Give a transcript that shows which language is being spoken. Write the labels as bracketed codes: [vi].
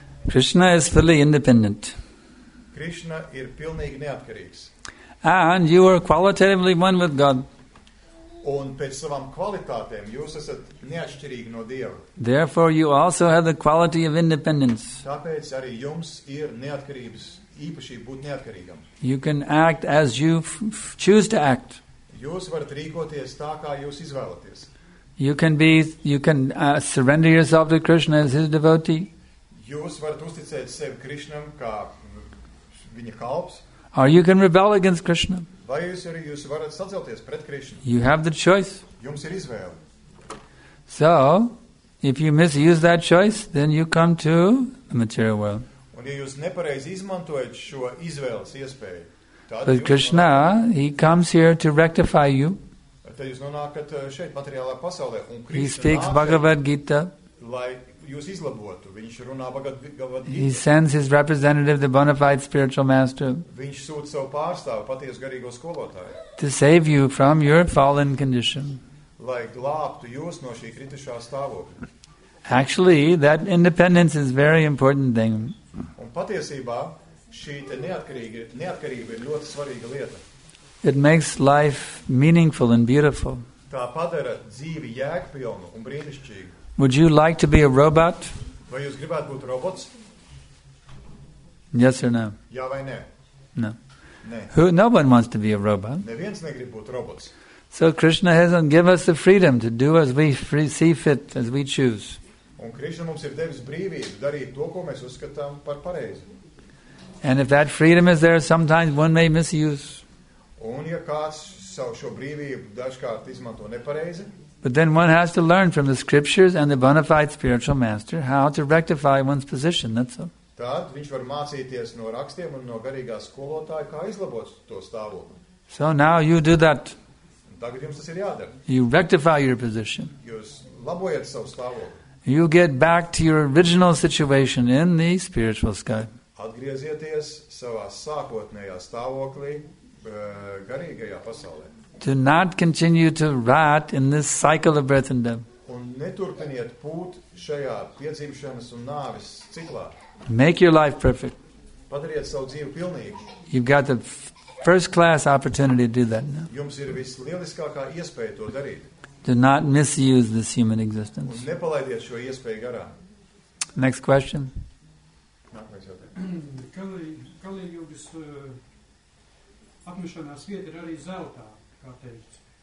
[en] Krishna is fully independent. [lv] Krishna ir pilnīgi neatkarīgs. [en] And you are qualitatively one with God. [lv] Un pēc savām kvalitātēm jūs esat neatšķirīgi no Dieva. [en] Therefore you also have the quality of independence. [lv] Tāpēc arī jums ir neatkarības īpašība būt neatkarīgam. [en] You can act as you choose to act. [lv] Jūs varat rīkoties tā, kā jūs izvēlaties. [en] You can surrender yourself to Krishna as his devotee. [lv] Jūs varat uzticēt sevi Krishnam kā viņa kalps. [en] Or you can rebel against Krishna. [lv] Vai jūs varat sacelties pret Krishna. [en] You have the choice. [lv] Jums ir izvēle. [en] So, if you misuse that choice, then you come to the material world. [lv] Un ja jūs nepareizi izmantojat šo izvēles iespēju, [en] but Krishna, he comes here to rectify you. [lv] Tad jūs nonākat šeit materiālajā pasaulē un [en] Krishna. He speaks Bhagavad Gita. [lv] Lai jūs izlabotu, viņš runā Bhagavad Gita. [en] He sends his representative, the bona fide spiritual master. [lv] Viņš sūta savu pārstāvu, patiesu garīgo skolotāju. [en] To save you from your fallen condition. [lv] Lai glābtu jūs no šī kritušā stāvokļa. [en] Actually, that independence is very important thing. [lv] Un patiesībā šī te neatkarība ir ļoti svarīga lieta. [en] It makes life meaningful and beautiful. [lv] Tā padara dzīvi jēgpilnu un brīnišķīgu. [en] Would you like to be a robot? [lv] Vai jūs gribētu būt robots? [en] Yes or no? [lv] Jā vai nē? [en] No. [lv] Nē. [en] No one wants to be a robot. [lv] Neviens negrib būt robots. [en] So Krishna hasn't given us the freedom to do as we see fit, as we choose. [lv] Un Krishna mums ir devis brīvību darīt to, ko mēs uzskatām par pareizi. [en] And if that freedom is there, sometimes one may misuse. [lv] Un ja kāds savu šo brīvību dažkārt izmanto nepareizi. [en] But then one has to learn from the scriptures and the bona fide spiritual master how to rectify one's position, that's all. [lv] Tad viņš var mācīties no rakstiem un no garīgā skolotāja, kā izlabot to stāvokli. [en] So now you do that. [lv] Tagad jums tas ir jādara. [en] You rectify your position. [lv] Jūs labojat savu stāvokli. [en] You get back to your original situation in the spiritual sky. [lv] Atgriezieties savā sākotnējā stāvoklī garīgajā pasaulē. [en] To not continue to rot in this cycle of birth and death. [lv] Un neturpiniet būt šajā piedzimšanas un nāves ciklā. [en] Make your life perfect. [lv] Padariet savu dzīvi pilnīgu. [en] You've got the first class opportunity to do that now. [lv] Jums ir vislieliskākā iespēja to darīt. [en] Do not misuse this human existence. [lv] Un nepalaidiet šo iespēju garā. [en] Next question. [lv] Kalī jūgas apmešanās vieta ir arī zeltā, kā teikts.